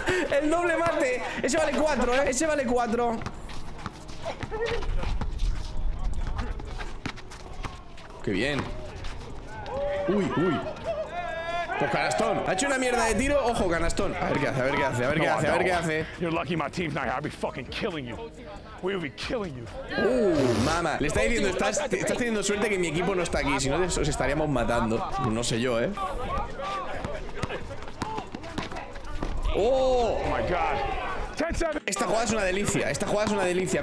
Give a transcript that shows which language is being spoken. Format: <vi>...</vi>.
<es>El doble mate. Ese vale 4, ¿eh? Ese vale 4. Qué bien. Uy, uy. Pues Canastón. Ha hecho una mierda de tiro. Ojo, Canastón. A ver qué hace, a ver qué hace, a ver qué hace, a ver qué hace.</es> <en>You're lucky my team's not here. I'll be fucking killing you. We'll be killing you. Mama.</en> <es>Le está diciendo, estás teniendo suerte que mi equipo no está aquí. Si no, os estaríamos matando. No sé yo, ¿eh? ¡Oh!</es> <en>My God.</en> <es>Esta jugada es una delicia. Esta jugada es una delicia.</es>